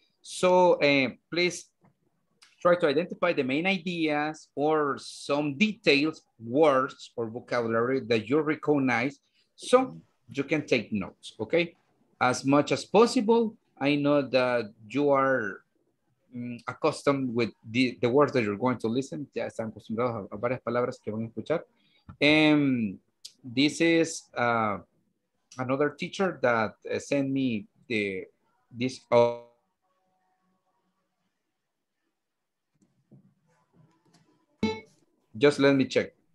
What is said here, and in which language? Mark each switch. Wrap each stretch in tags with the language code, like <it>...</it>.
<en>So please, try to identify the main ideas or some details, words or vocabulary that you recognize so you can take notes, okay? As much as possible, I know that you are accustomed with the words that you're going to listen.</en> <es>Ya están acostumbrados a varias palabras que van a escuchar.</es> <en>And this is another teacher that sent me this. Just let me check.</en>